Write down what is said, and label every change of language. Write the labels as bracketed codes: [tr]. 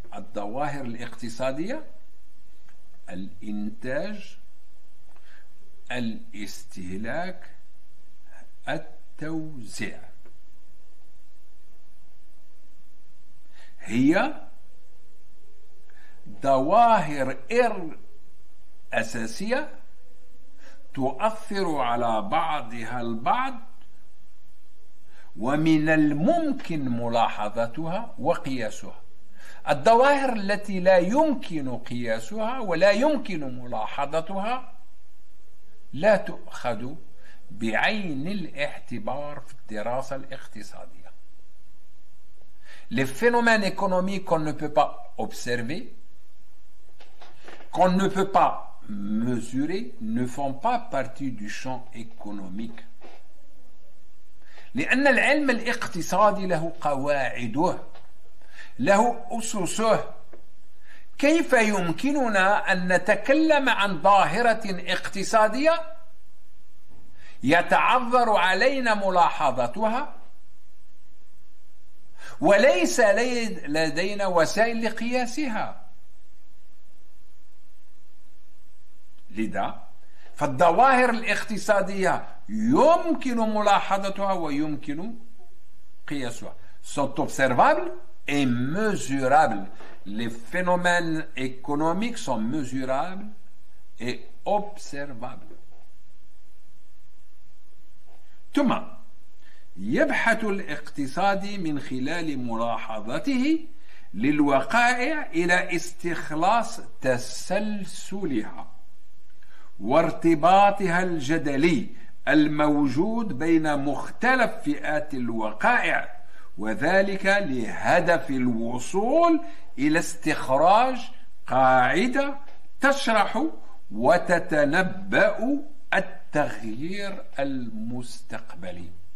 [ar] الظواهر الاقتصادية: الإنتاج، الاستهلاك، التوزيع، هي ظواهر أساسية تؤثر على بعضها البعض ومن الممكن ملاحظتها وقياسها. الظواهر التي لا يمكن قياسها ولا يمكن ملاحظتها لا تؤخذ بعين الاعتبار في الدراسة الاقتصادية. [fr] Les phénomènes économiques qu'on ne peut pas observer, qu'on ne peut pas mesurer, ne font pas partie du champ économique. [ar] لأن العلم الاقتصادي له قواعده، له أسسه. كيف يمكننا أن نتكلم عن ظاهرة اقتصادية يتعذر علينا ملاحظتها وليس لدينا وسائل لقياسها؟ لذا فالظواهر الاقتصادية يمكن ملاحظتها ويمكن قياسها. [fr] sont observables et mesurables. les phénomènes économiques sont mesurables et observables. [ar] ثم يبحث الاقتصادي من خلال ملاحظته للوقائع إلى استخلاص تسلسلها وارتباطها الجدلي الموجود بين مختلف فئات الوقائع، وذلك لهدف الوصول إلى استخراج قاعدة تشرح وتتنبأ التغيير المستقبلي.